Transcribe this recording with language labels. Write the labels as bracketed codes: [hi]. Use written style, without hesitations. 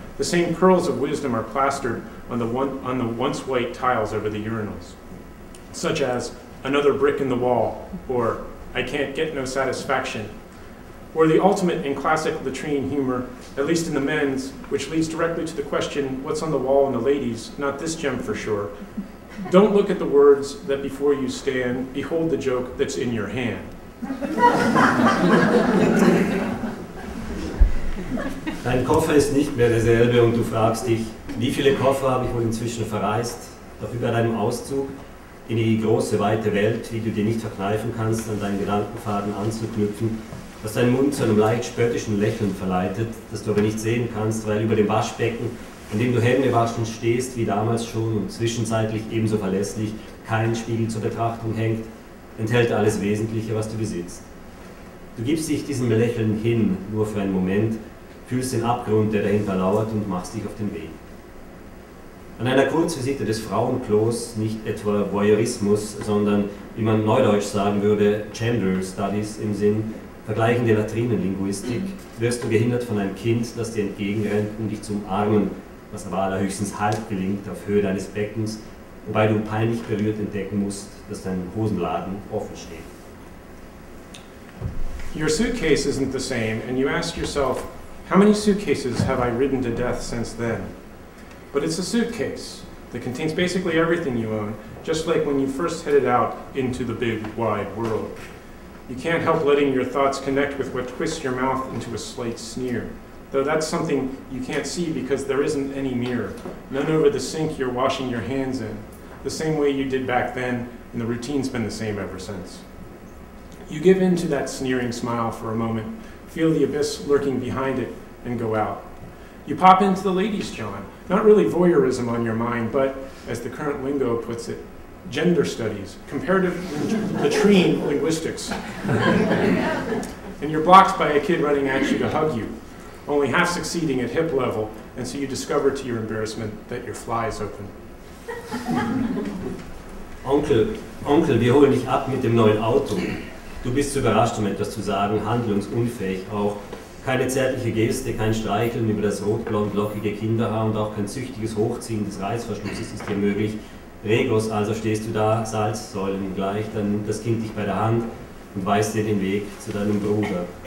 [en] The same pearls of wisdom are plastered on the once white tiles over the urinals, such as another brick in the wall, or I can't get no satisfaction, or the ultimate and classic latrine humor, at least in the men's, which leads directly to the question, what's on the wall in the ladies? Not this gem for sure. Don't look at the words that before you stand, behold the joke that's in your hand. [de] Dein Koffer ist nicht mehr derselbe und du fragst dich, wie viele Koffer habe ich wohl inzwischen verreist? Doch über deinem Auszug in die große, weite Welt, die du dir nicht verkneifen kannst, an deinen Gedankenfaden anzuknüpfen, was deinen Mund zu einem leicht spöttischen Lächeln verleitet, das du aber nicht sehen kannst, weil über dem Waschbecken, in dem du Hände waschen stehst, wie damals schon und zwischenzeitlich ebenso verlässlich, kein Spiegel zur Betrachtung hängt, enthält alles Wesentliche, was du besitzt. Du gibst dich diesem Lächeln hin, nur für einen Moment, fühlst den Abgrund, der dahinter lauert, und machst dich auf den Weg. An einer Kurzvisite des Frauenklos, nicht etwa Voyeurismus, sondern, wie man neudeutsch sagen würde, Gender Studies im Sinn, vergleichende Latrinenlinguistik, wirst du gehindert von einem Kind, das dir entgegenrennt, um dich zu umarmen, was aber allerhöchstens halb gelingt auf Höhe deines Beckens, wobei du peinlich berührt entdecken musst, dass dein Hosenladen offen steht. [en] Your suitcase isn't the same, and you ask yourself, how many suitcases have I ridden to death since then? But it's a suitcase that contains basically everything you own, just like when you first headed out into the big, wide world. You can't help letting your thoughts connect with what twists your mouth into a slight sneer, though that's something you can't see because there isn't any mirror, none over the sink you're washing your hands in, the same way you did back then, and the routine's been the same ever since. You give in to that sneering smile for a moment, feel the abyss lurking behind it, and go out. You pop into the ladies' John, not really voyeurism on your mind, but, as the current lingo puts it, gender studies, comparative latrine linguistics. And you're blocked by a kid running at you to hug you, only half succeeding at hip level, and so you discover to your embarrassment that your fly is open. [de] Onkel, wir holen dich ab mit dem neuen Auto. Du bist zu überrascht, um etwas zu sagen, handlungsunfähig auch. Keine zärtliche Geste, kein Streicheln über das rotblond-lockige Kinderhaar und auch kein züchtiges Hochziehen des Reißverschlusses ist dir möglich. Reglos also stehst du da, Salzsäulen gleich, dann nimmt das Kind dich bei der Hand und weist dir den Weg zu deinem Bruder.